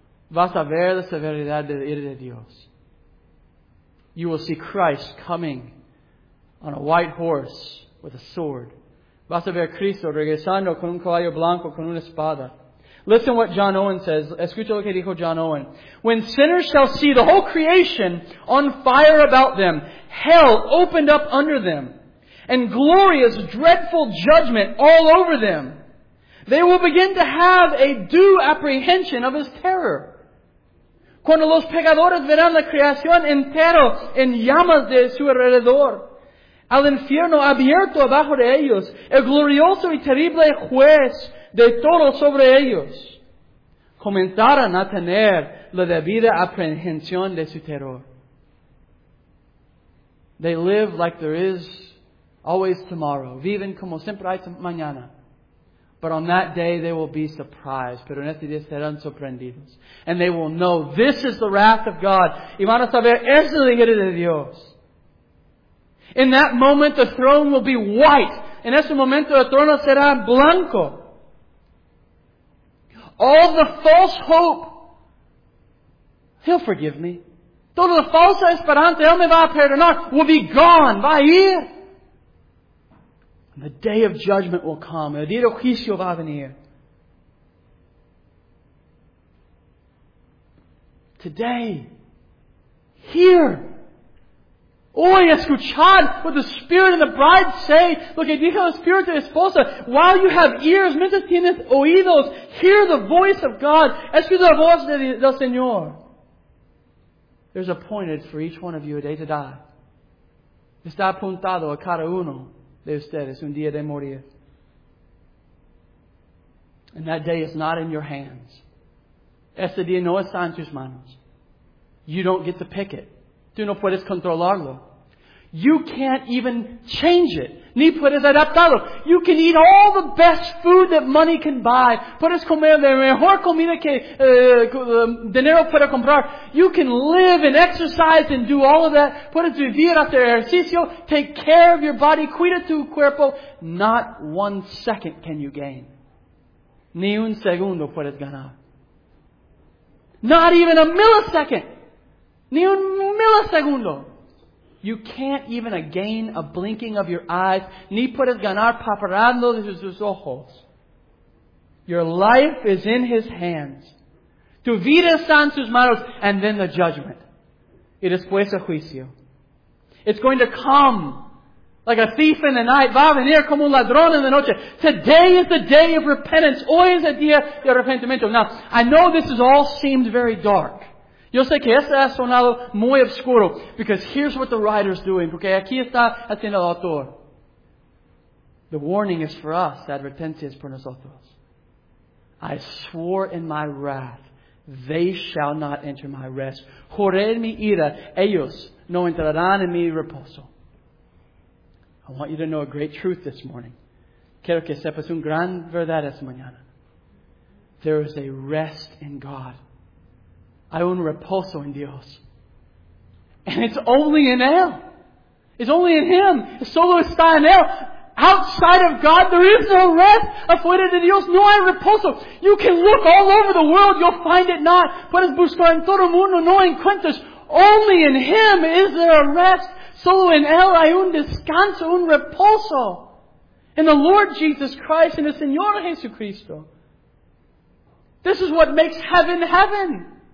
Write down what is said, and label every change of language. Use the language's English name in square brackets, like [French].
[Spanish] Vas a ver la severidad de la ira de Dios. [English] You will see Christ coming on a white horse with a sword. [Spanish] Vas a ver a Cristo regresando con un caballo blanco, con una espada. [English] Listen what John Owen says. [Spanish] Escucha lo que dijo John Owen. [English] When sinners shall see the whole creation on fire about them, hell opened up under them, and glorious, dreadful judgment all over them, they will begin to have a due apprehension of His terror. [Spanish] Cuando los pecadores verán la creación entera en llamas de su alrededor, al infierno abierto abajo de ellos, el glorioso y terrible juez de todo sobre ellos, comenzarán a tener la debida aprehensión de su terror. [English] They live like there is always tomorrow. [Spanish] Viven como siempre hay mañana. [English] But on that day they will be surprised. [Spanish] Pero en este día serán sorprendidos. [English] And they will know this is the wrath of God. [Spanish] Y van a saber, es la ira de Dios. [English] In that moment, the throne will be white. [Spanish] En ese momento, el trono será blanco. [English] All the false hope, He'll forgive me. [Spanish] Toda la falsa esperanza, Él me va a perdonar, [English] will be gone, [Spanish] va a ir. [English] And the day of judgment will come. [Spanish] El día de juicio va a venir. [English] Today, here, [Spanish] hoy escuchad [English] what the Spirit and the Bride say. [Spanish] Lo que dijo el Espíritu de Esposa. [English] While you have ears, [Spanish] mientras tienes oídos, [English] hear the voice of God. [Spanish] Escucha la voz del Señor. [English] There's appointed for each one of you a day to die. [Spanish] Está apuntado a cada uno de ustedes un día de morir. [English] And that day is not in your hands. [Spanish] Ese día no está en tus manos. [English] You don't get to pick it. [Spanish] Tú no puedes controlarlo. [English] You can't even change it. [Spanish] Ni puedes adaptarlo. [English] You can eat all the best food that money can buy. [Spanish] Puedes comer la mejor comida que dinero puede comprar. [English] You can live and exercise and do all of that. [Spanish] Puedes vivir hacer ejercicio. [English] Take care of your body. [Spanish] Cuida tu cuerpo. [English] Not one second can you gain. [Spanish] Ni un segundo puedes ganar. [English] Not even a millisecond. [Spanish] Ni un milisegundo. [English] You can't even gain a blinking of your eyes. [Spanish] Ni puedes ganar parpadeando de tus ojos. [English] Your life is in His hands. [Spanish] Tu vida está en sus manos. [English] And then the judgment. [Spanish] Y después el juicio. [English] It's going to come like a thief in the night. [Spanish] Va a venir como un ladrón en la noche. [English] Today is the day of repentance. [Spanish] Hoy es el día de arrepentimiento. [English] Now, I know this has all seemed very dark. [Spanish] Yo sé que esto ha sonado muy oscuro. [English] Because here's what the writer is doing. [Spanish] Porque aquí está haciendo el autor. [English] The warning is for us. [Spanish] La advertencia es por nosotros. [English] I swore in my wrath, they shall not enter my rest. [Spanish] Juré en mi ira, ellos no entrarán en mi reposo. [English] I want you to know a great truth this morning. [Spanish] Quiero que sepas un gran verdad esta mañana. [English] There is a rest in God. [Spanish] Hay un reposo en Dios. [English] And it's only in Él. It's only in Him. [Spanish] Solo está en Él. [English] Outside of God, there is no rest. [Spanish] Afuera de Dios, no hay reposo. [English] You can look all over the world, you'll find it not. [Spanish] Puedes buscar en todo el mundo, no encuentras. [English] Only in Him is there a rest. [Spanish] Solo en Él hay un descanso, un reposo. [English] In the Lord Jesus Christ, in the Señor Jesucristo. This is what makes heaven, heaven.